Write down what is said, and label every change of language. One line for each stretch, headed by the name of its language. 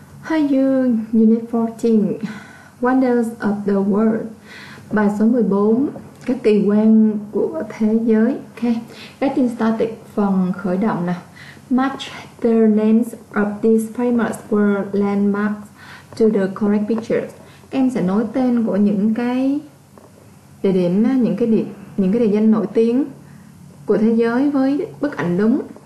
Vietnamese: Hi Dương,
English: Unit 14, Wonders of the World,
Vietnamese: bài số 14, các kỳ quan của thế giới. Okay.
English: Getting started,
Vietnamese: phần khởi động nào.
English: Match the names of these famous world landmarks to the correct pictures.
Vietnamese: Em sẽ nói tên của những cái địa điểm, những cái địa danh nổi tiếng của thế giới với bức ảnh đúng.